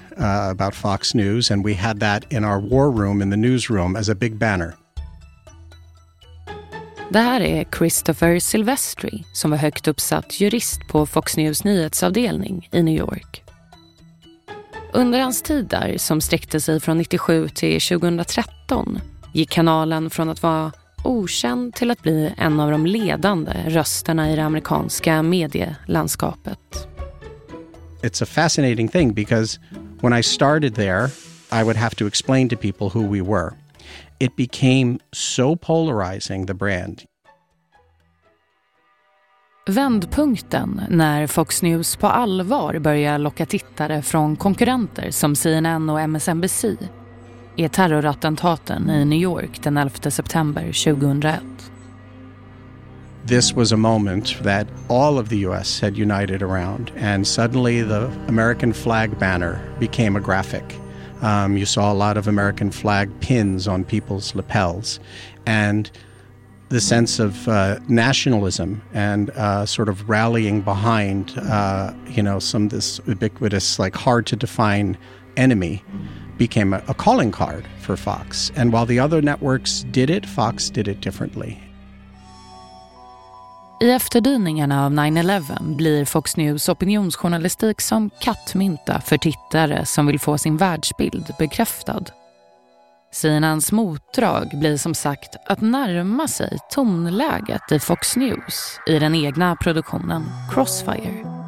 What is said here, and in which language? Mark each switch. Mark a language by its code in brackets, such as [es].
[en] About Fox News, and we had that in our war room in the newsroom as a big banner. [sv] Det här är Christopher Silvestri, som var högt uppsatt jurist på Fox News nyhetsavdelning i New York. Under hans tid där, som sträckte sig från 97 till 2013, gick kanalen från att vara okänd till att bli en av de ledande rösterna i det amerikanska medielandskapet. [en] It's a fascinating thing because when I started there, I would have to explain to people who we were. It became so polarizing, the brand. [sv] Vändpunkten när Fox News på allvar börjar locka tittare från konkurrenter som CNN och MSNBC är terrorattentaten i New York den 11 september 2001. [en] This was a moment that all of the US had united around, and suddenly the American flag banner became a graphic. You saw a lot of American flag pins on people's lapels, and the sense of nationalism and sort of rallying behind some of this ubiquitous, like hard to define enemy became a calling card for Fox. And while the other networks did it, Fox did it differently. [sv] I efterdyningarna av 9/11 blir Fox News opinionsjournalistik som kattmynta för tittare som vill få sin världsbild bekräftad. CNNs motdrag blir som sagt att närma sig tonläget i Fox News i den egna produktionen Crossfire.